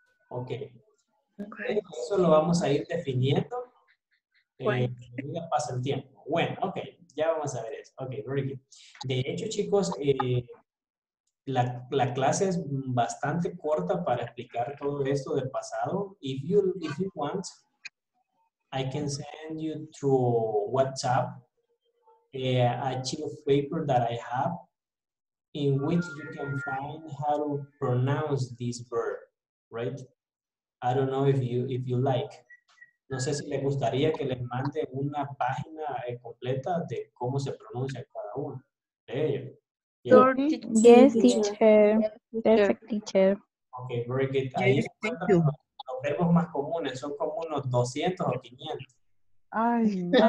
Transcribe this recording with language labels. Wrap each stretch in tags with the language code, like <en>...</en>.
<es>Okay. Eso lo vamos a ir definiendo. Ya pasa el tiempo. Bueno, okay. Ya vamos a ver eso.</es> <en>Okay, very good.</en> <es>De hecho, chicos, La clase es bastante corta para explicar todo esto del pasado.</es> <en>If you want, I can send you through WhatsApp a sheet of paper that I have in which you can find how to pronounce this verb, right? I don't know if you like.</en> <es>No sé si le gustaría que les mande una página completa de cómo se pronuncia cada uno de ellos.</es> <en>Yes, teacher. Okay, very good.</en> <es>Ahí están los verbos más comunes, son como unos 200 o 500.</es>